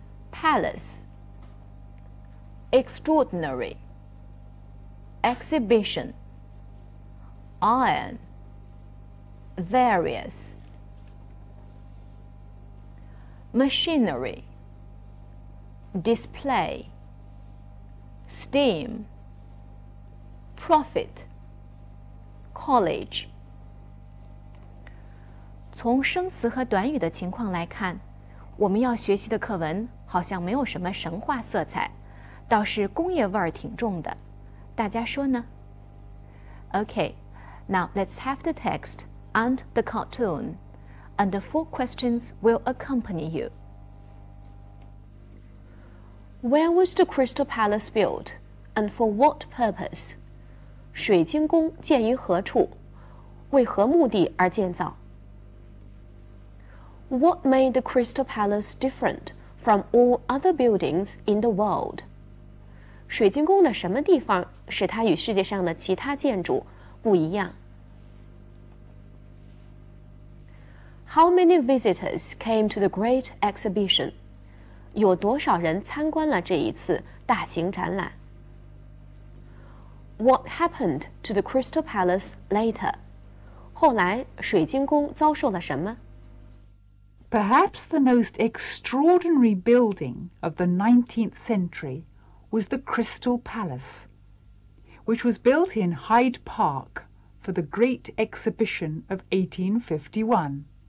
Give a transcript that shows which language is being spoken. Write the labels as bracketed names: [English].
[English] Palace， Extraordinary， Exhibition， Iron， Various， Machinery， Display， Steam， Profit， College。 [Chinese] 从生词和短语的情况来看，我们要学习的课文好像没有什么神话色彩，倒是工业味儿挺重的，大家说呢？ [English] Okay, now let's have the text and the cartoon, and the four questions will accompany you. Where was the Crystal Palace built, and for what purpose? [Chinese] 水晶宫建于何处？为何目的而建造？ [English] What made the Crystal Palace different from all other buildings in the world? [Chinese] 水晶宫的什么地方使它与世界上的其他建筑不一样？ [English] How many visitors came to the Great Exhibition? [Chinese] 有多少人参观了这一次大型展览？ [English] What happened to the Crystal Palace later? [Chinese] 后来水晶宫遭受了什么？ [English] Perhaps the most extraordinary building of the 19th century was the Crystal Palace, which was built in Hyde Park for the Great Exhibition of 1851.